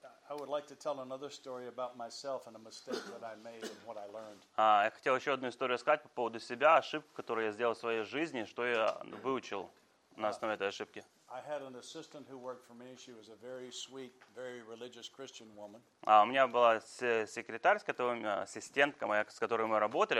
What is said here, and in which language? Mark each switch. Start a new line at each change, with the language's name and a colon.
English: I would like to tell another story about myself and a mistake that I made and what I learned.
Russian: Я хотел еще одну историю сказать по поводу себя, ошибку, которую я сделал в своей жизни, что я выучил на основе этой ошибки.
English: I had an assistant who worked for me. She was a very sweet, very religious Christian woman.
Russian: А у меня была секретарь, с которой ассистентка моя, с которой мы работали.